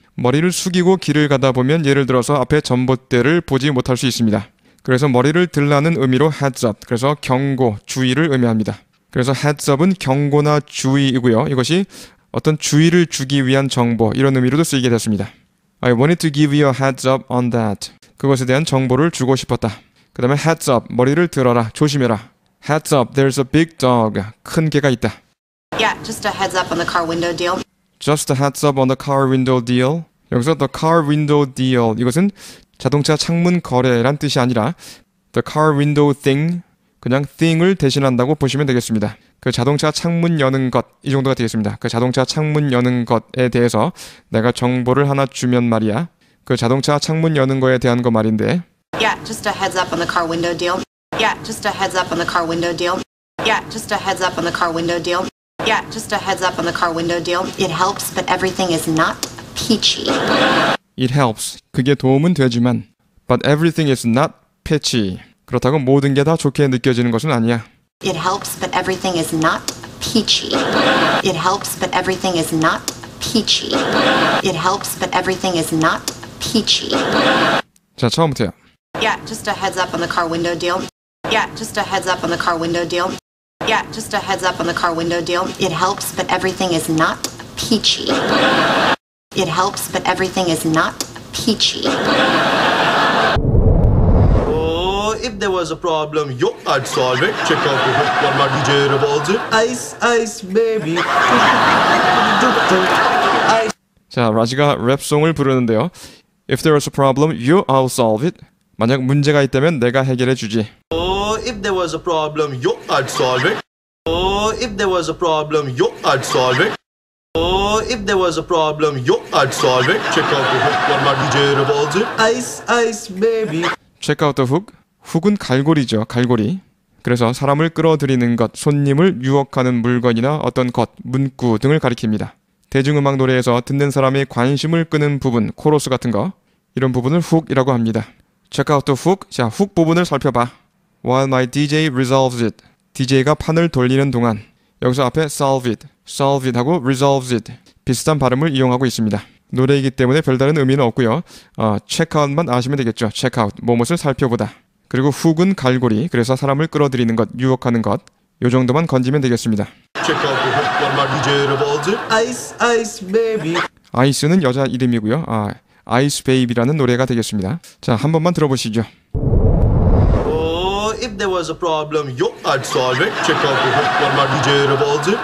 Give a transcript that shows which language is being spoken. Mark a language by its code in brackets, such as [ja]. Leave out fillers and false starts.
[ko] 머리를 숙이고 길을 가다 보면 예를 들어서 앞에 전봇대를 보지 못할 수 있습니다. 그래서 머리를 들라는 의미로 heads up. 그래서 경고, 주의를 의미합니다. 그래서 heads up은 경고나 주의이고요. 이것이 어떤 주의를 주기 위한 정보 이런 의미로도 쓰이게 됐습니다. [en] I wanted to give you a heads up on that. [ko] 그것에 대한 정보를 주고 싶었다. 그 다음에 heads up, 머리를 들어라, 조심해라. [en] Heads up, there's a big dog. [ko] 큰 개가 있다. [en] Yeah, just a heads up on the car window deal. Just a heads up on the car window deal. [ko] 여기서 [en] the car window deal. [ko] 이것은 자동차 창문 거래란 뜻이 아니라 [en] the car window thing, [ko] 그냥 thing을 대신한다고 보시면 되겠습니다. 그 자동차 창문 여는 것, 이 정도가 되겠습니다. 그 자동차 창문 여는 것에 대해서 내가 정보를 하나 주면 말이야. 그 자동차 창문 여는 거에 대한 거 말인데. [en] Yeah, just a heads up on the car window deal. Yeah, just a heads up on the car window deal. Yeah, just a heads up on the car window deal. Yeah, just a heads up on the car window deal. It helps, but everything is not peachy. It helps. [ko] 그게 도움은 되지만. [en] But everything is not peachy. [ko] 그렇다고 모든 게 다 좋게 느껴지는 것은 아니야. [en] It helps, but everything is not peachy. It helps, but everything is not peachy. It helps, but everything is not peachy. [ko] 자, 처음부터요. [en] Yeah, just a heads up on the car window deal. Yeah, just a heads up on the car window deal. Yeah, just a heads up on the car window deal. It helps, but everything is not peachy. It helps, but everything is not peachy. If there was a problem, yo, I'd solve it. Check out the hook on my DJ revolver. Ice, ice, baby. [ko] 자, 라지가 랩송을 부르는데요. [en] If there was a problem, yo, I'll solve it. [ko] 만약 문제가 있다면 내가 해결해 주지. [en] Oh, if there was a problem, yo, I'd solve it. If there was a problem, yo, I'd solve it. If there was a problem, yo, I'd solve it. Check out the hook, what my DJ revolves it. Ice, baby. Check out the hook. [ko] 훅은 갈고리죠, 갈고리. 그래서 사람을 끌어들이는 것, 손님을 유혹하는 물건이나 어떤 것, 문구 등을 가리킵니다. 대중음악 노래에서 듣는 사람의 관심을 끄는 부분, 코러스 같은 거, 이런 부분을 훅이라고 합니다. [en] Check out the hook. [ko] 자, 훅 부분을 살펴봐. [en] While my DJ resolves it. [ko] DJ가 판을 돌리는 동안. 여기서 앞에 [en] solve it. Solve it [ko] 하고 [en] resolves it. [ko] 비슷한 발음을 이용하고 있습니다. 노래이기 때문에 별다른 의미는 없고요. Check out만 아시면 되겠죠. Check out. 무엇을 살펴보다. 그리고 훅은 갈고리, 그래서 사람을 끌어들이는 것, 유혹하는 것, 요 정도만 건지면 되겠습니다. [en] Check out the hook, what my DJ revolves it. Ice, baby. [ko] 아이스는 여자 이름이고요. 아, 아이스 베이비라는 노래가 되겠습니다. 자, 한 번만 들어보시죠. [en] If there was a problem, yo, I'd solve it. Check out the hook, what my DJ revolves it.